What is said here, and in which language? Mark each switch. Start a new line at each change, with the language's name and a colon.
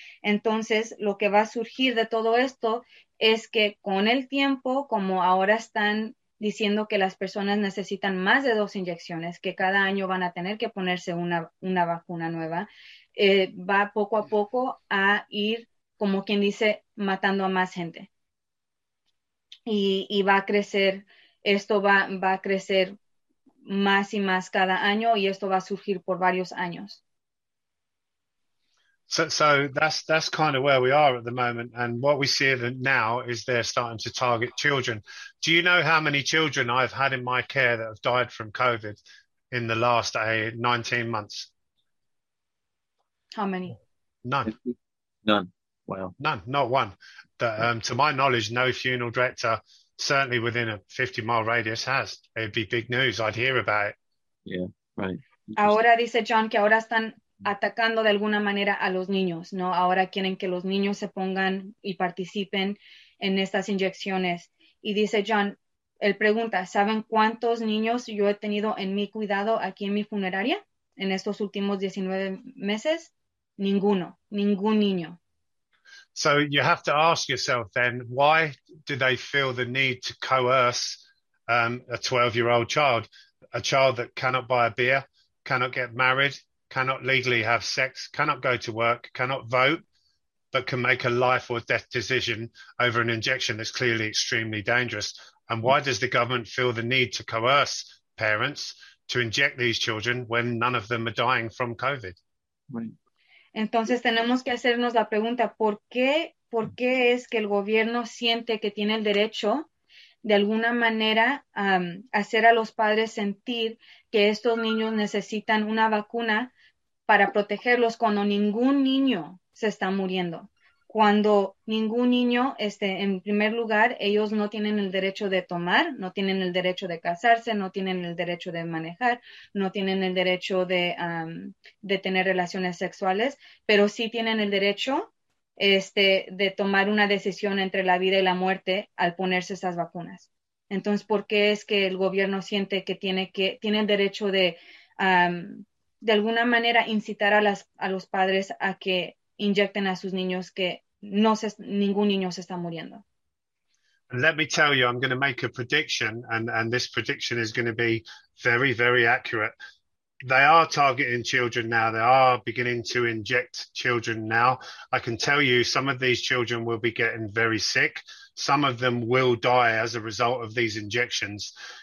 Spanish: Entonces, lo que va a surgir de todo esto es que con el tiempo, como ahora están diciendo que las personas necesitan más de 2 inyecciones, que cada año van a tener que ponerse una vacuna nueva, va poco a poco a ir, como quien dice, matando a más gente. Y va a crecer, esto va a crecer más y más cada año y esto va a surgir por varios años.
English: So that's kind of where we are at the moment. And what we see now is they're starting to target children. Do you know how many children I've had in my care that have died from COVID in the last 19 months? How many? None. None. Wow. None, not one. That, to my knowledge, no funeral director, certainly within a 50-mile radius has. It'd be big news. I'd hear about it. Yeah, right.
Spanish: Ahora dice John que ahora están atacando de alguna manera a los niños, ¿no? Ahora quieren que los niños se pongan y participen en estas inyecciones. Y dice John, él pregunta, ¿saben cuántos niños yo he tenido en mi cuidado aquí en mi funeraria en estos últimos 19 meses? Ninguno, ningún niño. So you have to ask yourself then, why do they feel the need to coerce a 12-year-old child, a child that cannot buy a beer, cannot get married, cannot legally have sex, cannot go to work, cannot vote, but can make a life or death decision over an injection that's clearly extremely dangerous? And why does the government feel the need to coerce parents to inject these children when none of them are dying from COVID? Entonces tenemos que hacernos la pregunta, ¿por qué es que el gobierno siente que tiene el derecho de alguna manera hacer a los padres sentir que estos niños necesitan una vacuna para protegerlos cuando ningún niño se está muriendo? Cuando ningún niño, en primer lugar, ellos no tienen el derecho de tomar, no tienen el derecho de casarse, no tienen el derecho de manejar, no tienen el derecho de tener relaciones sexuales, pero sí tienen el derecho de tomar una decisión entre la vida y la muerte al ponerse esas vacunas. Entonces, ¿por qué es que el gobierno siente que tiene el derecho de alguna manera incitar a los padres a que inyecten a sus niños que ningún niño se está muriendo?
English: And let me tell you, I'm going to make a prediction, and this prediction is going to be very, very accurate. They are targeting children now. They are beginning to inject children now. I can tell you some of these children will be getting very sick. Some of them will die as a result of these injections.